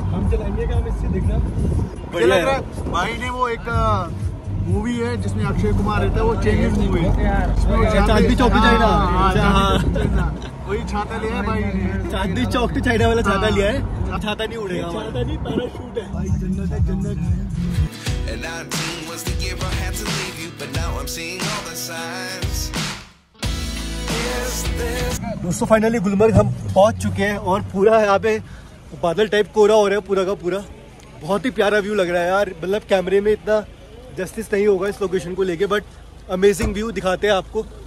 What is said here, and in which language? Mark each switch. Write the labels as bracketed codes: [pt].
[hi] हम चलाएंगे काम इससे, देखना लग रहा है भाई ने वो एक मूवी है जिसमें अक्षय कुमार रहता है, वो चेंजेस मूवी चांदनी चौक पे जाएगा, वही छाता लिया है भाई ने, चांदनी चौक पे चाइना वाला छाता लिया है, छाता नहीं उड़ेगा, छाता नहीं पैराशूट है भाई, जन्नत है जन्नत। [en] And our dream was to give, I had to leave you, but now I'm seeing all the signs. [hi] दोस्तों फाइनली गुलमर्ग हम पहुंच चुके हैं और पूरा यहाँ पे बादल टाइप कोहरा हो रहा है पूरा का पूरा। बहुत ही प्यारा व्यू लग रहा है यार, मतलब कैमरे में इतना जस्टिस नहीं होगा इस लोकेशन को लेके, बट अमेजिंग व्यू दिखाते हैं आपको।